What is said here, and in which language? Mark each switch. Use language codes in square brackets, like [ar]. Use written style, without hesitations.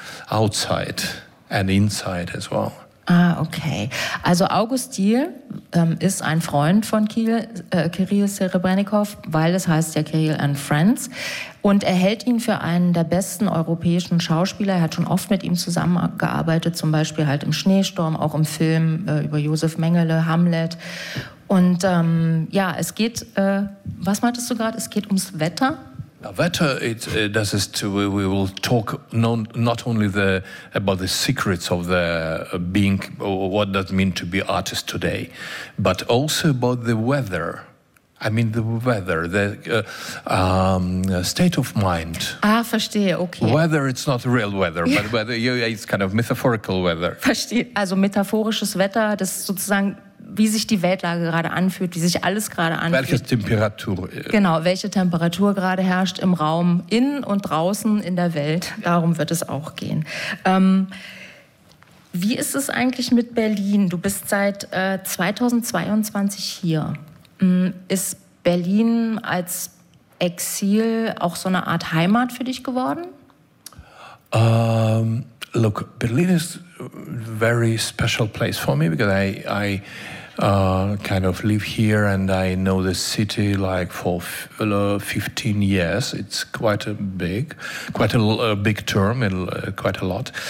[en] Outside and inside as well. Ah, okay. [de] Also August Diehl ist ein Freund von Kirill Serebrennikov, weil es heißt ja Kirill and Friends. Und er hält ihn für einen der besten europäischen Schauspieler. Er hat schon oft mit ihm zusammengearbeitet, zum Beispiel halt im Schneesturm, auch im Film über Josef Mengele, Hamlet. Und es geht, was meintest du gerade? Es geht ums Wetter. Wetter, das ist, [en] we will talk not only about the secrets of the being, what does mean to be artist today, but also about the weather. I mean the weather, the state of mind. [de] Ah, verstehe, okay. [en] Weather, it's not real weather, but weather, it's kind of metaphorical weather. [de] Verstehe, also metaphorisches Wetter, das ist sozusagen, wie sich die Weltlage gerade anfühlt, wie sich alles gerade anfühlt. Welche Temperatur. Genau, welche Temperatur gerade herrscht im Raum, innen und draußen in der Welt. Darum wird es auch gehen. Wie ist es eigentlich mit Berlin? Du bist seit 2022 hier. Ist Berlin als Exil auch so eine Art Heimat für dich geworden? [en] Look, Berlin is a very special place for me because I kind of live here and I know the city like for 15 years. It's quite a lot.